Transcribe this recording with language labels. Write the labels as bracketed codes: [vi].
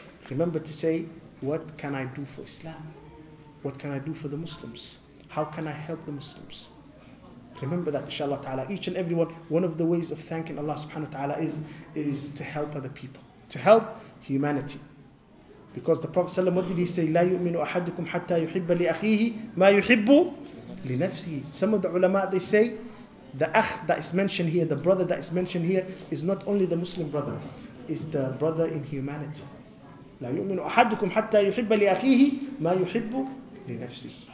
[en] Remember to say, what can I do for Islam? What can I do for the Muslims? How can I help the Muslims? Remember that, inshallah ta'ala. Each and everyone, one of the ways of thanking Allah subhanahu wa ta'ala is to help other people, to help humanity. Because the Prophet ﷺ, what did he say? [ar] لا يؤمن أحدكم حتى يحب لأخيه ما يحب لنفسه. [en] Some of the ulama, they say, the akh that is mentioned here, the brother that is mentioned here, is not only the Muslim brother, is the brother in humanity. [ar] لا يؤمن أحدكم حتى يحب لأخيه ما يحب لنفسه.